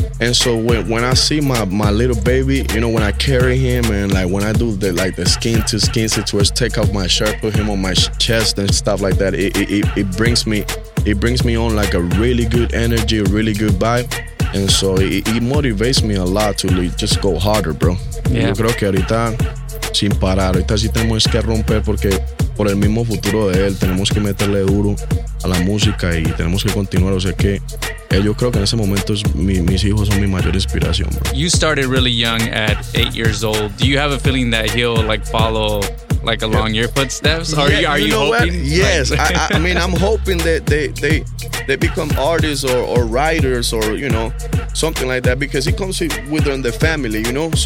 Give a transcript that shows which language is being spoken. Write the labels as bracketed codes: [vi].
[en] And so when I see my little baby, you know, when I carry him and, like, when I do the, like, the skin-to-skin situation, take off my shirt, put him on my chest and stuff like that, it brings me on, like, a really good energy, a really good vibe. And so it motivates me a lot to just go harder, bro. Yeah. [es] Yo creo que ahorita, sin parar, ahorita sí tenemos que romper porque por el mismo futuro de él tenemos que meterle duro a la música y tenemos que continuar. O sea que yo creo que en ese momento mis hijos son mi mayor inspiración, bro. [en] You started really young at 8 years old. Do you have a feeling that he'll, like, follow, like, along your footsteps? Yeah, are you know hoping? What? Yes. Like, I mean, I'm hoping that they become artists or writers or, you know, something like that because it comes with them, the family, you know?